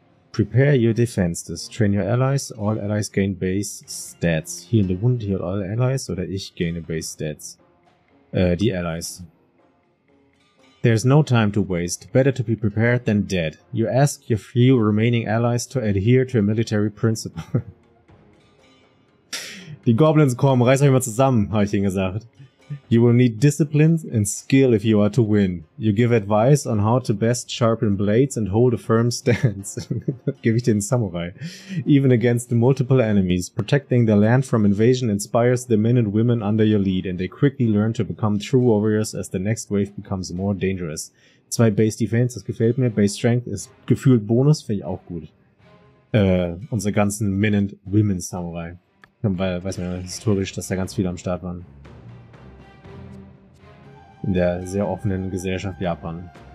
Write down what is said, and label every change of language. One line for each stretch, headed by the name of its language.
English: Prepare your defenses. Train your allies. All allies gain base stats. Heal the wound, heal all allies,
German: oder ich gaine base stats. Die
English: allies. There's no time to waste. Better to be prepared than dead. You ask your few remaining allies to adhere to a military principle.
German: Die Goblins kommen, reiß euch mal zusammen, habe ich ihnen gesagt.
English: You will need discipline and skill if you are to win. You give advice on how to best sharpen blades and hold a firm stance.
German: Gebe ich den Samurai.
English: Even against multiple enemies, protecting the land from invasion inspires the men and women under your lead, and they quickly learn to become true warriors as the next wave becomes more dangerous.
German: 2 Base Defense, das gefällt mir. Base Strength ist gefühlt Bonus, finde ich auch gut. Unsere ganzen
English: Men and Women
German: Samurai. Weil, weiß man ja historisch, dass da ganz viele am Start waren. In der sehr offenen Gesellschaft Japan.